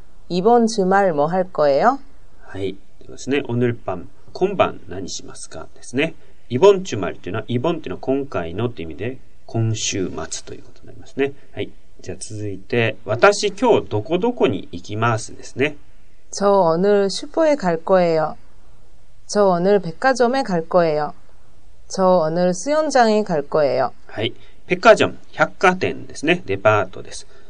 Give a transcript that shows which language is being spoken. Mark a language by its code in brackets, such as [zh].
[ko] 이번 주말 뭐 할 거예요? [ja] はい、ですね。 [ko] 오늘 밤, [ja] 今晩何しますか?ですね。 [ko] 이번 주말 [ja] っていうのは 이번 っていうのは今回のって意味で 今週末ということになりますね。はい。じゃあ続いて、私今日どこどこに行きますですね。 [ko] 저 오늘 슈퍼에 갈 거예요. 저 오늘 백화점에 갈 거예요. 저 오늘 수영장에 갈 거예요. [ja] はい、百貨店、百貨店ですね、デパートです。